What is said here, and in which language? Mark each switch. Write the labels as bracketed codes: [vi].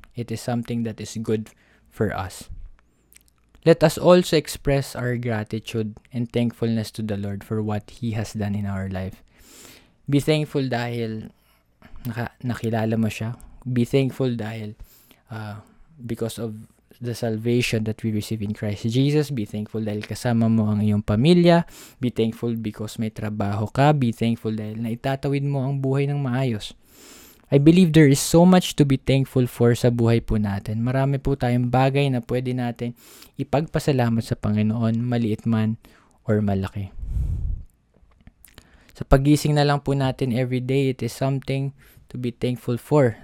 [en] It is something that is good for us. Let us also express our gratitude and thankfulness to the Lord for what He has done in our life. Be thankful [tl] dahil nakilala mo siya. [en] Be thankful dahil because of the salvation that we receive in Christ Jesus. Be thankful [tl] dahil kasama mo ang iyong pamilya. [en] Be thankful because [tl] may trabaho ka. [en] Be thankful [tl] dahil naitatawid mo ang buhay ng maayos. [en] I believe there is so much to be thankful for [tl] sa buhay po natin. Marami po tayong bagay na pwede natin ipagpasalamat sa Panginoon, maliit man or malaki. Sa pagising na lang po natin [en] every day, it is something to be thankful for.